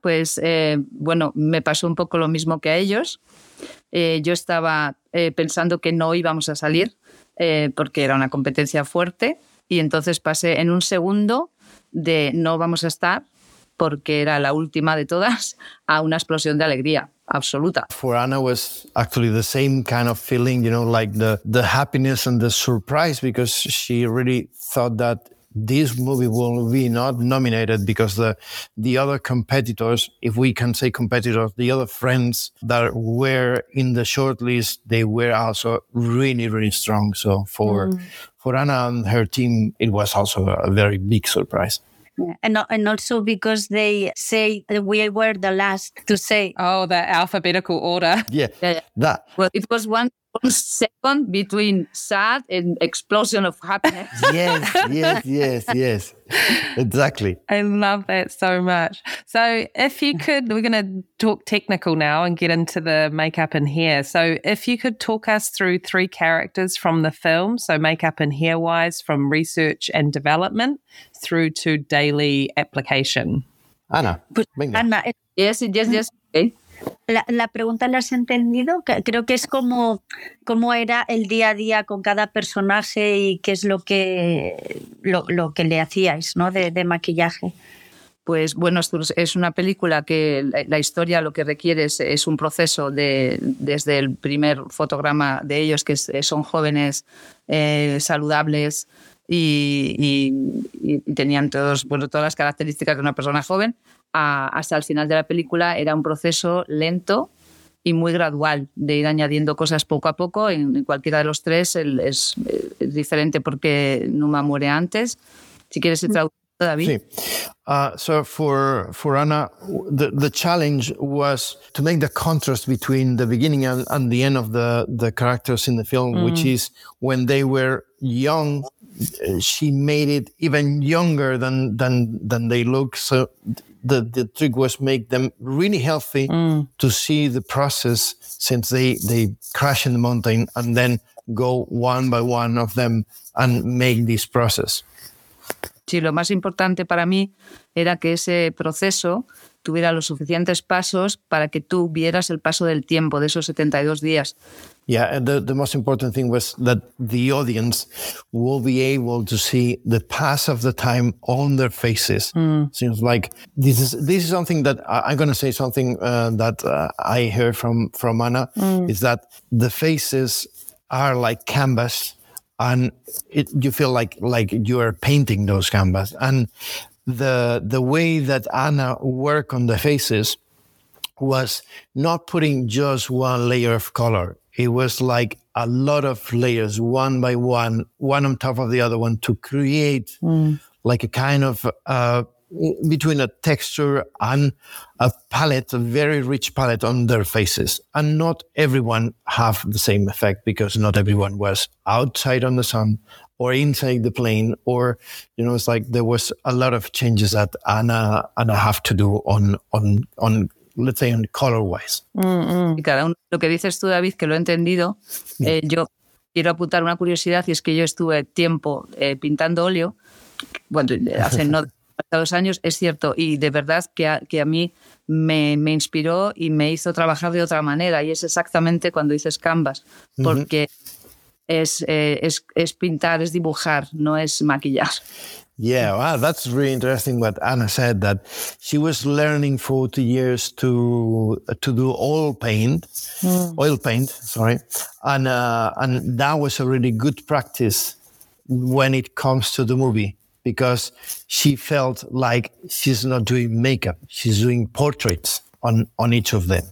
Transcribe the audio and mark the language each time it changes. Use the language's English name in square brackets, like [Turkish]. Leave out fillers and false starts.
[Spanish] Pues, bueno, me pasó un poco lo mismo que a ellos. Yo estaba pensando que no íbamos a salir porque era una competencia fuerte y entonces pasé en un segundo de no vamos a estar porque era la última de todas a una explosión de alegría absoluta. [English] For Anna was actually the same kind of feeling, you know, like the happiness and the surprise because she really thought that this movie will be not nominated because the other competitors, if we can say competitors, the other friends that were in the shortlist, they were also really, really strong. So for Anna and her team, it was also a very big surprise. Yeah. And also because they say that we were the last to say. Oh, the alphabetical order. Yeah. That. Well, it was one second between sad and explosion of happiness. Yes. Exactly. I love that so much. So if you could, we're going to talk technical now and get into the makeup and hair. So if you could talk us through three characters from the film, so makeup and hair-wise from research and development through to daily application. Ana. Ana. Yes. Okay. [Spanish] La pregunta la has entendido, creo que es cómo era el día a día con cada personaje y qué es lo que le hacíais, ¿no? De maquillaje. Pues bueno, es una película que la historia lo que requiere es un proceso desde el primer fotograma de ellos, que son jóvenes, saludables y tenían todas las características de una persona joven. Hasta el final de la película era un proceso lento y muy gradual de ir añadiendo cosas poco a poco. En cualquiera de los tres es diferente porque Numa muere antes. Si quieres traducir, David. Sí. [English] So for Anna, the challenge was to make the contrast between the beginning and the end of the characters in the film, which is when they were young. She made it even younger than they look. So the trick was make them really healthy to see the process since they crash in the mountain and then go one by one of them and make this process. [Spanish] Sí, lo más importante para mí era que ese proceso tuviera los suficientes pasos para que tú vieras el paso del tiempo de esos 72 días. [English] Yeah, and the most important thing was that the audience will be able to see the pass of the time on their faces. Seems like this is something that I'm going to say something that I heard from Anna is that the faces are like canvas and you feel like you are painting those canvas. And the way that Anna worked on the faces was not putting just one layer of color. It was like a lot of layers, one by one, one on top of the other one, to create like a kind of between a texture and a palette, a very rich palette on their faces. And not everyone have the same effect because not everyone was outside on the sun or inside the plane, or, you know, it's like there was a lot of changes that Ana have to do on let's say, on color-wise. Mm-hmm. [Spanish] Y cada uno, lo que dices tú, David, que lo he entendido, yo quiero apuntar una curiosidad, y es que yo estuve tiempo pintando óleo, bueno, hace no dos años, es cierto, y de verdad que a mí me inspiró y me hizo trabajar de otra manera, y es exactamente cuando dices canvas, porque... Mm-hmm. Es pintar, es dibujar, no es maquillar. [English] Yeah, wow, that's really interesting what Ana said, that she was learning for 40 years to do oil paint, and that was a really good practice when it comes to the movie, because she felt like she's not doing makeup, she's doing portraits on each of them.